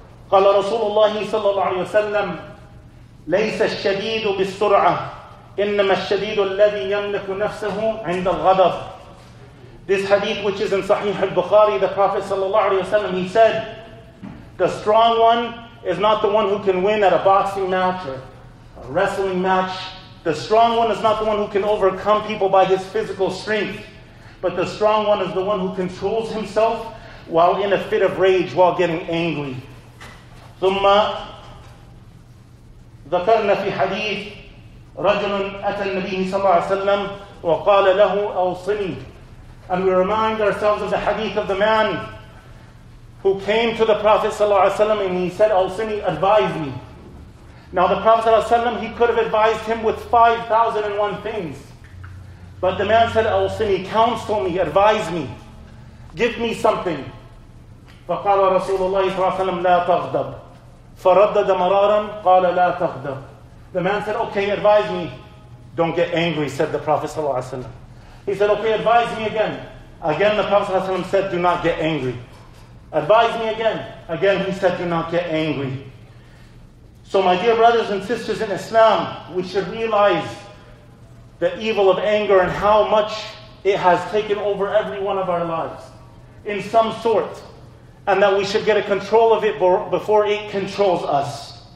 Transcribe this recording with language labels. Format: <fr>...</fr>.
<ar>قال رسول الله صلى الله عليه وسلم ليس الشديد بالسرعة إنما الشديد الذي يملك نفسه عند الغضب</ar> <en>This hadith which is in Sahih al-Bukhari, the Prophet ﷺ, he said, the strong one is not the one who can win at a boxing match or a wrestling match. The strong one is not the one who can overcome people by his physical strength. But the strong one is the one who controls himself while in a fit of rage, while getting angry. ثُمَّ</en> <ar>ذكرنا في حديث رجل أتى النبي صلى الله عليه وسلم وقال له أوصني.</ar> <en>And we remind ourselves of the hadith of the man who came to the Prophet sallallahu alaihi wasallam and he said, "Awsini, advise me." Now the Prophet sallallahu alaihi wasallam, he could have advised him with 5,001 things, but the man said, "Awsini, counsel me, advise me, give me something."</en> <ar>فقال رسول الله صلى الله عليه وسلم لا تغضب فردد مرارا قال لا تغضب.</ar> <en>The man said, "Okay, advise me." "Don't get angry," said the Prophet sallallahu alaihi wasallam. He said, "Okay, advise me again." Again, the Prophet ﷺ said, "Do not get angry." "Advise me again." Again, he said, "Do not get angry." So my dear brothers and sisters in Islam, we should realize the evil of anger and how much it has taken over every one of our lives in some sort, and that we should get a control of it before it controls us.</en>